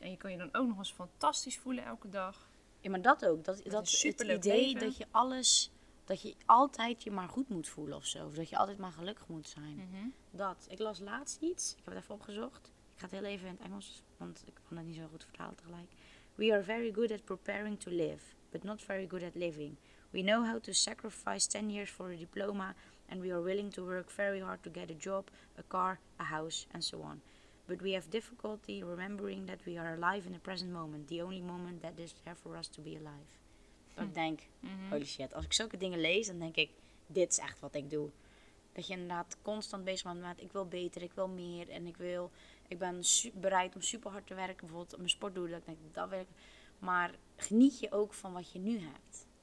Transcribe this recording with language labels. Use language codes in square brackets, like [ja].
[nl] En je kan je dan ook nog eens fantastisch voelen elke dag. Ja, maar dat ook. Dat is het idee leven. Dat je alles, dat je altijd je maar goed moet voelen ofzo. Of dat je altijd maar gelukkig moet zijn. Mm-hmm. Dat. Ik las laatst iets. Ik heb het even opgezocht. Ik ga het heel even in het Engels, want ik kan het niet zo goed vertalen tegelijk. [en] We are very good at preparing to live, but not very good at living. We know how to sacrifice 10 years for a diploma, and we are willing to work very hard to get a job, a car, a house, and so on. But we have difficulty remembering that we are alive in the present moment, the only moment that is there for us to be alive. [nl] Ik denk, [en] holy shit, [nl] als ik zulke dingen lees, dan denk ik, dit is echt wat ik doe. Dat je inderdaad constant bezig bent met, ik wil beter, ik wil meer, en ik ben bereid om super hard te werken, bijvoorbeeld om mijn sport te doen, dat ik denk, dat wil ik. Maar geniet je ook van wat je nu hebt.